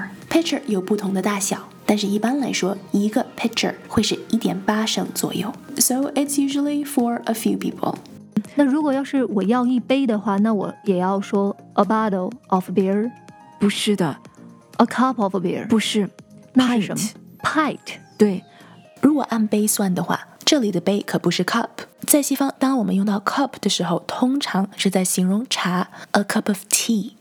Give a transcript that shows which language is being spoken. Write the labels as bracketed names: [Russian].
[Chinese] Pitcher 有不同的大小，但是一般来说，一个 pitcher 会是 1.8 升左右。 [English] So it's usually for a few people. [Chinese] 那如果要是我要一杯的话，那我也要说 [English] a bottle of beer? [Chinese] 不是的。 [English] A cup of beer? [Chinese] 不是。那是什么？Pint. 对。如果按杯算的话，这里的杯可不是 cup。在西方，当我们用到 cup 的时候，通常是在形容茶 [English] a cup of tea。